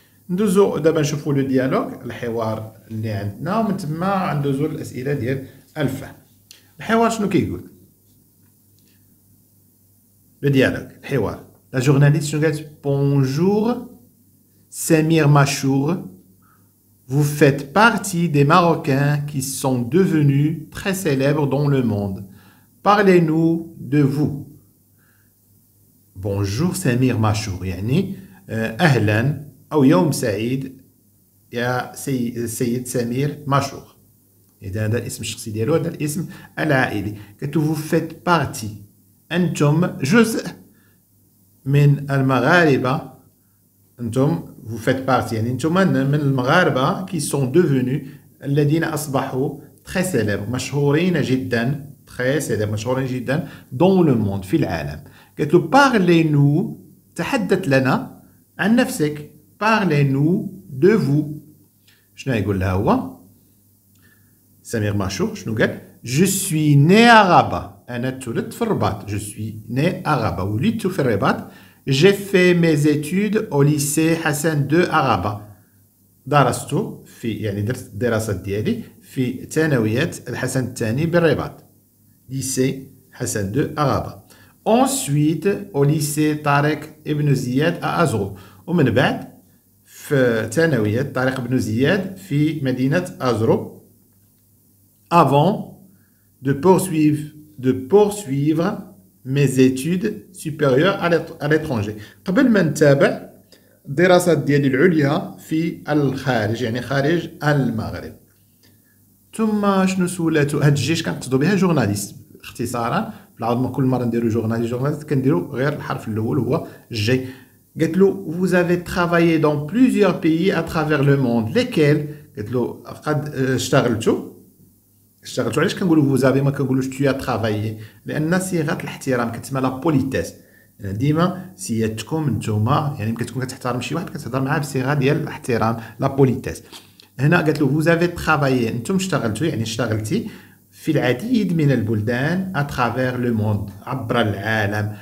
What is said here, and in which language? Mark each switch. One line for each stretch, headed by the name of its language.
Arabic: ندوزو دابا نشوفوا لو ديالوغ، الحوار اللي عندنا، ومن تما ندوزو للاسئله ديال الفهم. الحوار شنو كيقول؟
French: لو ديالوغ،
Arabic: الحوار، لا جورناليست شنو قالت؟ بونجور سمير مشهور،
French: Vous faites partie des Marocains qui sont devenus très célèbres dans le monde. Parlez-nous de vous. Bonjour
Arabic: Samir Machour, يعني أهلا أو يوم سعيد يا سيد سمير ماشور. إذا هذا الاسم الشخصي ديالو، هذا الاسم العائلي. كتو
French: vous faites partie،
Arabic: أنتم جزء من المغاربة. أنتم
French: vous faites partie،
Arabic: يعني أنتم من المغاربة
French: كي سون دوفوني،
Arabic: الذين أصبحوا
French: très célèbres،
Arabic: مشهورين جدا، très célèbres، مشهورين جدا
French: dans le monde،
Arabic: في العالم. قالت له
French: parlez nous،
Arabic: تحدث لنا عن نفسك.
French: parlez nous de vous.
Arabic: شنو يقول لها هو سمير مشهور؟ شنو قال؟
French: je suis né à Rabat،
Arabic: أنا تولدت في الرباط.
French: je suis né à Rabat،
Arabic: ولدت في الرباط.
French: J'ai fait mes études au lycée Hassan II à Rabat.
Arabic: درست في، يعني درست الدراسة ديالي في ثانويات الحسن الثاني بالرباط.
French: lycée Hassan II à Rabat. Ensuite au lycée Tariq Ibn Ziyad à Azrou.
Arabic: ومن بعد في ثانويات طارق بن زياد في مدينة أزرو.
French: avant de poursuivre mes études supérieures à l'étranger،
Arabic: قبل ما نتابع الدراسات ديالي العليا في الخارج، يعني خارج المغرب. ثم شنو سولاتو؟ هاد الجيش كنقصدو بها جورناليست اختصارا، بعد ما كل مرة نديرو جورناليست كنديرو غير الحرف الأول هو جي. قالت له
French: vous avez travaillé dans plusieurs pays à travers le monde، lesquels؟
Arabic: قالت له قد اشتغلت. علاش كنقولوا
French: vous avez
Arabic: ما كنقولوش
French: tu as travaillé؟
Arabic: لأن صيغة الاحترام كتسمى
French: لا بوليتيس،
Arabic: يعني ديما سيادتكم انتوما، يعني كتكون كتحترم شي واحد كتهضر معاه بصيغة ديال الاحترام لا بوليتيس. هنا قالت له
French: vous avez travaillé،
Arabic: انتم اشتغلتوا، يعني اشتغلتي في العديد من البلدان
French: à travers le monde،
Arabic: عبر العالم.